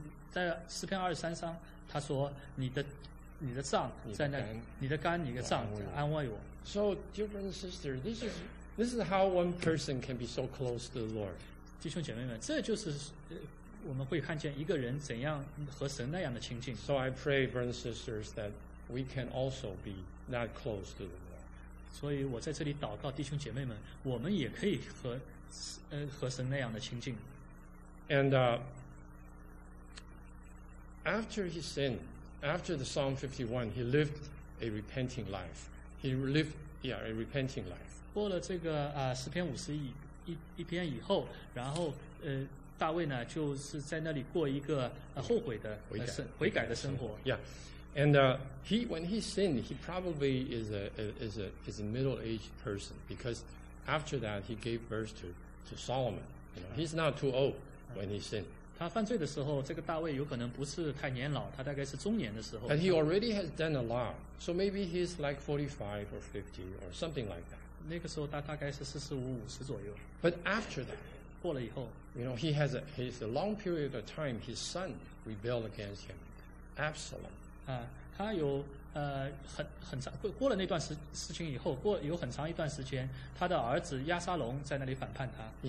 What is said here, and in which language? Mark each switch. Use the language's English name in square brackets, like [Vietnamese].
[Chinese] 在诗篇二十三章，他说你的杖在那，你的杆，你的杖安慰我。 [English] So, dear brothers and sisters, this is how one person can be so close to the Lord. [Chinese] 弟兄姐妹们，这就是我们会看见一个人怎样和神那样的亲近。 [English] So I pray, brothers and sisters, that we can also be that close to the Lord. [Chinese] 所以我在这里祷告，弟兄姐妹们，我们也可以和神那样的亲近。 [English] And after he sinned, after the Psalm 51, he lived a repenting life. He lived, yeah, a repenting life. [Chinese] 过了这个诗篇五十一篇以后，然后大卫呢就是在那里过一个后悔的悔改的生活。 [English] Yeah, and when he sinned, he probably is a middle-aged person because after that he gave birth to Solomon. You know, he's not too old. When he sinned, [Chinese] 他犯罪的时候，这个大卫有可能不是太年老，他大概是中年的时候。 [English] And he already has done a lot, so maybe he's like 45 or 50 or something like that. [Chinese] 那个时候他大概是45-50左右。 [English] But after that, [Chinese] 过了以后 [English] ，you know, he has a long period of time. His son rebelled against him, Absalom. [Chinese] 他有很长过了那段事情以后，过有很长一段时间，他的儿子亚沙龙在那里反叛他。